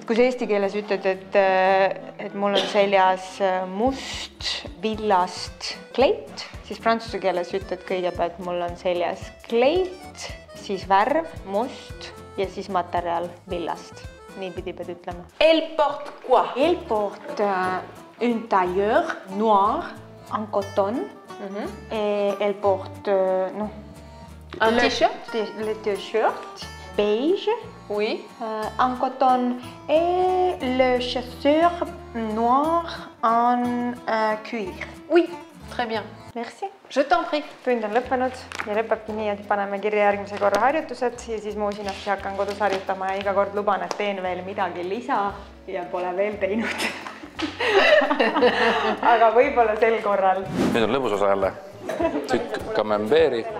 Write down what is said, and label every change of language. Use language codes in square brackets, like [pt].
[et] Kui sa eesti keeles ütled, et mul on seljas must villast kleit, siis prantsuse keeles ütled kõigepealt, et mul on seljas kleit, siis värv, must ja siis materjal villast. Nii pidi pead ütlema. [fr] Elle porte quoi? Elle porte un tailleur noir en coton. Mm-hmm. Et elle porte t-shirt? Le t-shirt beige. Oui. En coton et le chaussure noir en cuir. Oui, très bien. Merci. Je t'en prie. [et] Tund on lõppenud ja lõpebki nii, et paneme kirja järgmise korra harjutused ja siis ma usinasti hakkan kodus harjutama ja igakord luban, et teen veel midagi lisa ja pole veel teinud. Aga võib-olla sel korral. Nüüd on lõbus osa jälle. Tükk kamembeeri.